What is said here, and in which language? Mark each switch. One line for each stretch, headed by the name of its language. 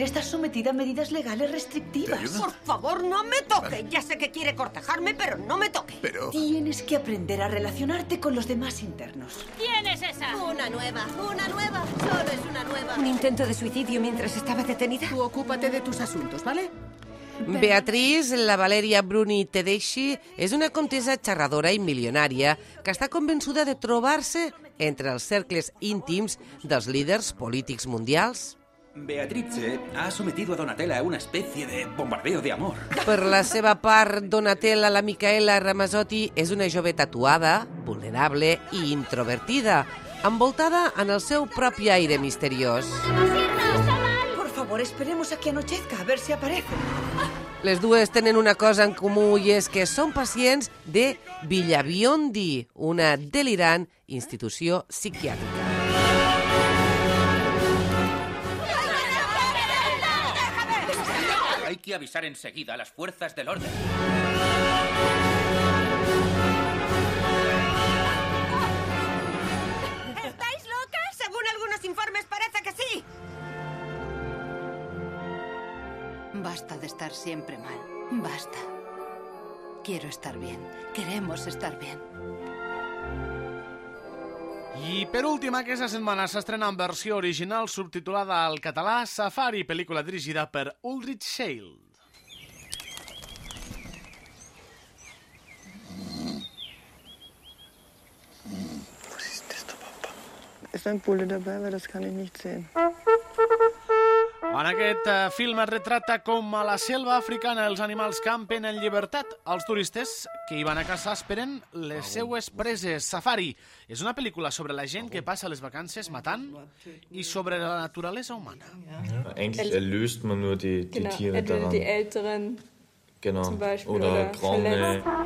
Spanish: Estás sometida a medidas legales restrictivas. Por favor, no me toque. Vale. Ya sé que quiere cortejarme, pero no me toque. Pero... Tienes que aprender a relacionarte con los demás internos. ¿Quién es esa? Una nueva. Solo es una nueva. ¿Un intento de suicidio mientras estaba detenida? Tú ocúpate de tus asuntos, ¿vale?
Catalan: Beatriz, la Valeria Bruni Tedeschi, és una comtessa xerradora i milionària que està convençuda de trobar-se entre els cercles íntims dels líders polítics mundials.
Spanish: Beatrice ha sometido a Donatella a una especie de bombardeo de amor.
Catalan: Per la seva part, Donatella, la Micaela Ramazzotti, és una jove tatuada, vulnerable i introvertida, envoltada en el seu propi aire misteriós.
Spanish: Esperemos a que anochezca, a ver si aparece.
Catalan: Les dues tenen una cosa en comú i és que són pacients de Villabiondi, una delirant institució psiquiàtrica.
Spanish: Hay que avisar enseguida a las fuerzas del orden. ¿Estáis locas? Según algunos informes parece que sí. Basta de estar siempre mal. Basta. Quiero estar bien. Queremos estar bien.
Catalan: I per última, aquesta setmana s'estrena en versió original subtitulada al català Safari, pel·lícula dirigida per Ulrich Schell.
German: Was ist das, Papa? Ist ein Bulle dabei, weil das kann ich nicht sehen.
Catalan: En aquest film es retrata com a la selva africana els animals campen en llibertat. Els turistes que hi van a caçar esperen les seues preses. Safari és una pel·lícula sobre la gent que passa les vacances matant i sobre la naturalesa humana.
German: Eigentlich erlöst man nur die Tiere daran. Die älteren. Genau. Zum Beispiel, oder Grande.